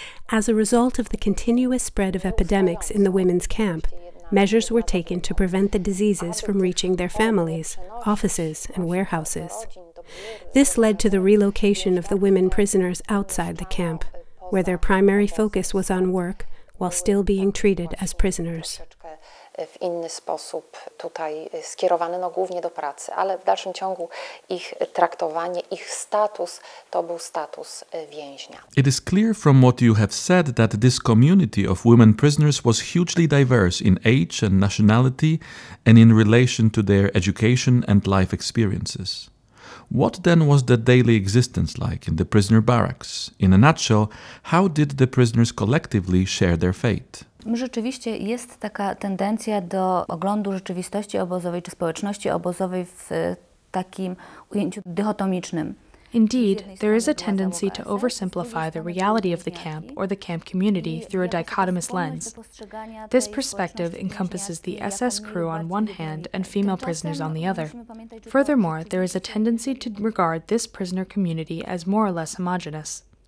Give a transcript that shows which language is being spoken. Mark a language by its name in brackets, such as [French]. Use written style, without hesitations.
[English] As a result of the continuous spread of epidemics in the women's camp, measures were taken to prevent the diseases from reaching their families, offices, and warehouses. This led to the relocation of the women prisoners outside the camp, where their primary focus was on work while still being treated as prisoners. [Polish] W inny sposób tutaj skierowane, no głównie do pracy, ale w dalszym ciągu ich traktowanie, ich status, to był status więźnia. [English] It is clear from what you have said that this community of women prisoners was hugely diverse in age and nationality and in relation to their education and life experiences. What then was the daily existence like in the prisoner barracks? In a nutshell, how did the prisoners collectively share their fate? [Polish] Rzeczywiście jest taka tendencja do oglądu rzeczywistości obozowej czy społeczności obozowej w takim ujęciu dychotomicznym. [English] Indeed, there is a tendency to oversimplify the reality of the camp or the camp community through a dichotomous lens. This perspective encompasses the SS crew on one hand and female prisoners on the other. Furthermore, there is a tendency to regard this prisoner community as more or less homogeneous.